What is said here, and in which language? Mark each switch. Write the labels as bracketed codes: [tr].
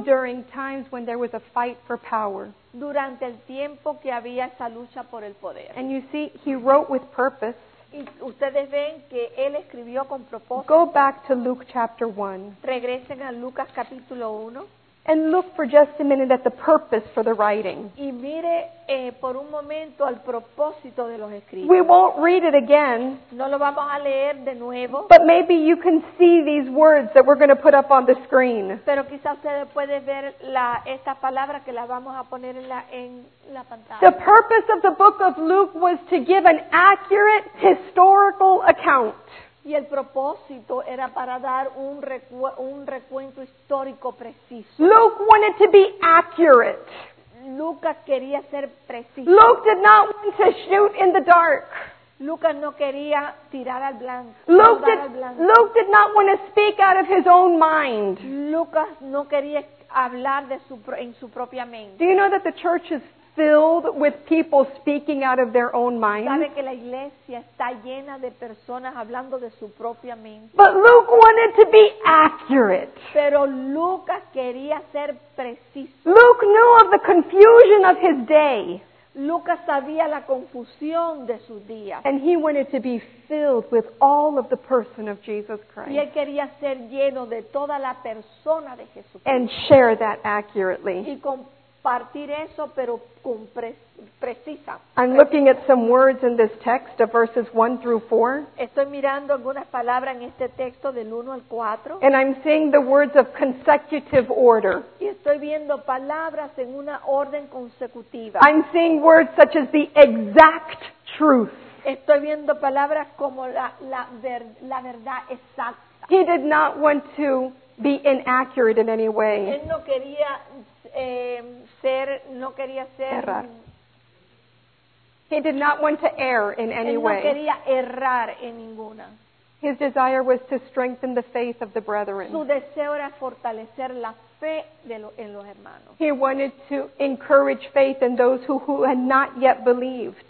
[en] During times when there was a fight for power. [es] Durante el tiempo que había esa lucha por el poder. [en] And you see, he wrote with purpose. [es] Y ustedes ven que él escribió con propósito. [en] Go back to Luke chapter 1. [es] Regresen a Lucas capítulo 1. [en] And look for just a minute at the purpose for the writing. [es] Y mire por un momento al propósito de los escritos. [en] We won't read it again. [es] No lo vamos a leer de nuevo. [en] But maybe you can see these words that we're going to put up on the screen. [es] Pero quizás ustedes pueden ver estas palabras que las vamos a poner en la pantalla. [en] The purpose of the book of Luke was to give an accurate historical account. [es] Y el propósito era para dar un recuento histórico preciso. [en] Luke wanted to be accurate. [es] Lucas quería ser preciso. [en] Luke did not want to shoot in the dark. [es] Lucas no quería tirar al blanco. [en] Luke did not want to speak out of his own mind. [es] Lucas no quería hablar en su propia mente. [en] Do you know that the church is filled with people speaking out of their own minds? [es] ¿Sabe que la iglesia está llena de personas hablando de su propia mente? [en] But Luke wanted to be accurate. [es] Pero Lucas quería ser preciso. [en] Luke knew of the confusion of his day. [es] Lucas sabía la confusión de sus días. [en] And he wanted to be filled with all of the person of Jesus Christ. [es] Y él quería ser lleno de toda la persona de Jesucristo. [en] And share that accurately. [es] Y partir eso, pero con precisa. [en] I'm looking at some words in this text of verses 1 through 4. [es] Estoy mirando algunas palabras en este texto del 1 al 4. [en] And I'm seeing the words of consecutive order. [es] Y estoy viendo palabras en una orden consecutiva. [en] I'm seeing words such as the exact truth. [es] Estoy viendo palabras como la verdad exacta. [en] He did not want to be inaccurate in any way. [es] Él no quería ser. [en] He did not want to err in any way. [es] Él no quería errar en ninguna. [en] His desire was to strengthen the faith of the brethren. [es] Su deseo era fortalecer la fe en los hermanos. [en] He wanted to encourage faith in those who had not yet believed.